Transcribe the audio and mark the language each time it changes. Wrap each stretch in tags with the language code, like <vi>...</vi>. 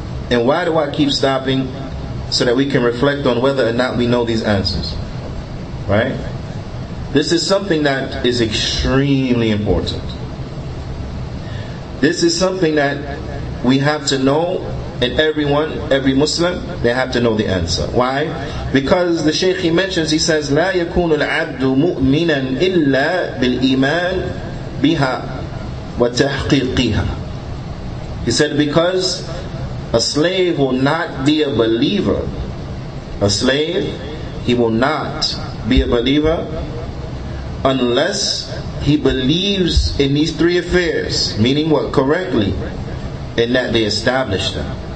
<en>And why do I keep stopping so that we can reflect on whether or not we know these answers? Right? This is something that is extremely important. This is something that we have to know, and everyone, every Muslim, they have to know the answer. Why? Because the Shaykh mentions, he says,</en> <ar>لا يكون العبد مؤمنا إلا بالإيمان بِهَا وَتَحْقِيقِهَا.</ar> <en>He said, because a slave will not be a believer. A slave, he will not be a believer unless he believes in these three affairs. Meaning what? Correctly. And that they establish them.</en>